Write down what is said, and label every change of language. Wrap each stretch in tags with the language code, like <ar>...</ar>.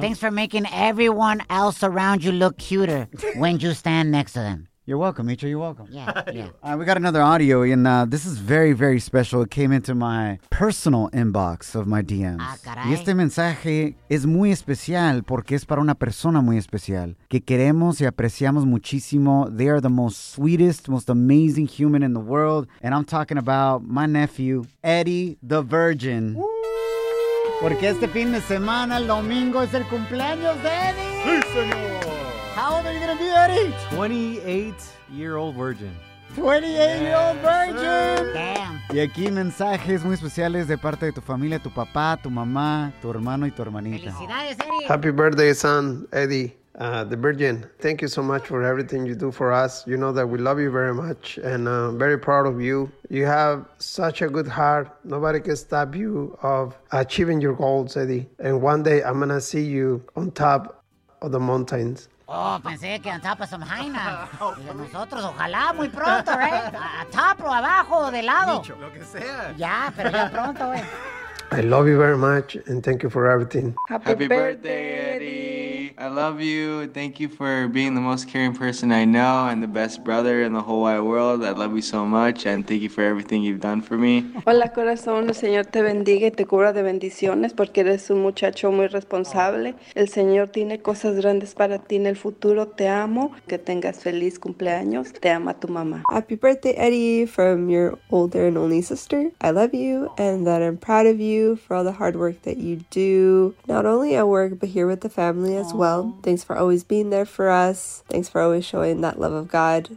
<en>Thanks for making everyone else around you look cuter when you stand next to them. You're welcome, Micho. You're welcome. Yeah, yeah. All right, we got another audio, and this is very, very special. It came into my personal inbox of my DMs.</en> <es>Ah, caray. Y este mensaje es muy especial porque es para una persona muy especial que queremos y apreciamos muchísimo.</es> <en>They are the most sweetest, most amazing human in the world. And I'm talking about my nephew, Eddie the Virgin. Woo!</en> <es>Porque este fin de semana, el domingo, es el cumpleaños de Eddie. Sí, señor.</es> <en>How old are you going to be, Eddie? 28-year-old virgin. 28-year-old virgin. Damn.</en> <es>Y aquí mensajes muy especiales de parte de tu familia, tu papá, tu mamá, tu hermano y tu hermanita. Felicidades, Eddie.</es> <en>Happy birthday, son, Eddie, the virgin. Thank you so much for everything you do for us. You know that we love you very much and I'm very proud of you. You have such a good heart. Nobody can stop you of achieving your goals, Eddie. And one day I'm going to see you on top of the mountains.</en> <es>Oh, pensé que</es> <en>on top of some haina.</en> <es>Y nosotros, ojalá, muy pronto, ¿eh? A top o abajo, de lado. Nicho, lo que sea. Ya, pero ya pronto, ¿eh?</es> <en>I love you very much, and thank you for everything. Happy birthday, Eddie. I love you. Thank you for being the most caring person I know and the best brother in the whole wide world. I love you so much, and thank you for everything you've done for me.</en> <es>Hola, corazón. El Señor te bendiga y te cubra de bendiciones porque eres un muchacho muy responsable. El Señor tiene cosas grandes para ti en el futuro. Te amo. Que tengas feliz cumpleaños. Te ama tu mamá.</es> <en>Happy birthday, Eddie, from your older and only sister. I love you, and that I'm proud of you for all the hard work that you do, not only at work, but here with the family as well. Thanks for always being there for us. Thanks for always showing that love of God.</en>